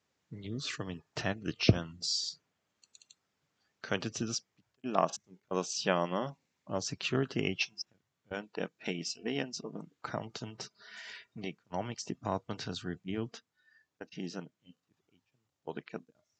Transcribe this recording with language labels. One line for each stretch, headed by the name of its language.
English: News from Intelligence.
German: Könntet ihr das bitte lassen, Kadassianer?
English: Our security agents have earned their pay. Surveillance of an accountant in the economics department has revealed that he is an active agent for the Kadassianer.